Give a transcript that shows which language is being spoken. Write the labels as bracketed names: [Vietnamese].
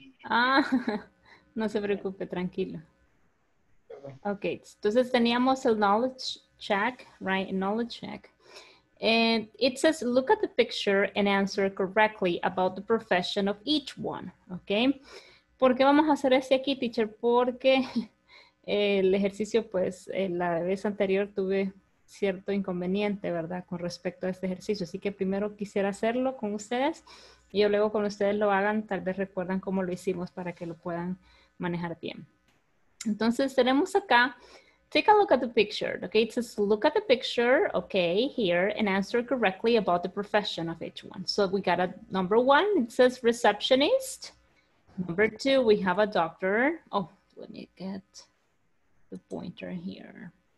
[Spanish] Ah, no se preocupe, tranquilo. Ok, entonces teníamos el knowledge check, [English] right? [Spanish] Knowledge check. [English] And it says, look at the picture and answer correctly about the profession of each one, ok? [Spanish] ¿Por qué vamos a hacer este aquí, [English] teacher? [Spanish] Porque el ejercicio, pues, la vez anterior tuve cierto inconveniente, ¿verdad? Con respecto a este ejercicio. Así que primero quisiera hacerlo con ustedes y yo luego cuando ustedes lo hagan, tal vez recuerdan cómo lo hicimos para que lo puedan manejar bien. [English] Entonces tenemos acá, take a look at the picture, okay? It says, look at the picture, okay, here, and answer correctly about the profession of each one. So we got a number one, it says receptionist. Number two, we have a doctor. Oh, let me get the pointer here.